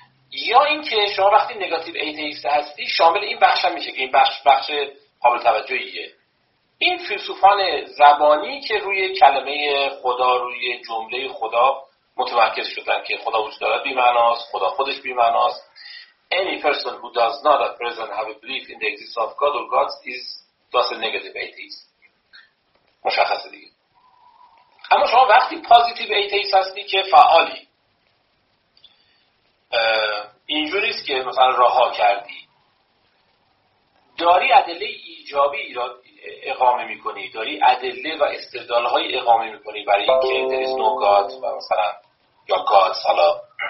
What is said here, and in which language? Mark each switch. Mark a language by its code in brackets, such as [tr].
[fa] یا اینکه شما وقتی نگاتیو ایتیست هستی شامل این بخش هم میشه که این بخش قابل توجهیه. این فیلسوفان زبانی که روی کلمه خدا، روی جمله خدا متمرکز شدن که خدا وجود دارد بی‌معناست، خدا خودش بی‌معناست. [en] Any person who does not at present have a belief in the existence of God or gods is thus a negative atheist. [fa] مشخصه دیگه. اما شما وقتی پازیتیو ایتیست هستی که فعالی، اینجوری است که مثلا رها کردی، داری ادله ایجابی ایجاد اقامه میکنی، داری ادله و استدلال‌های اقامه میکنی برای اینکه [en] there is no God [fa] و مثلا یا God حالا.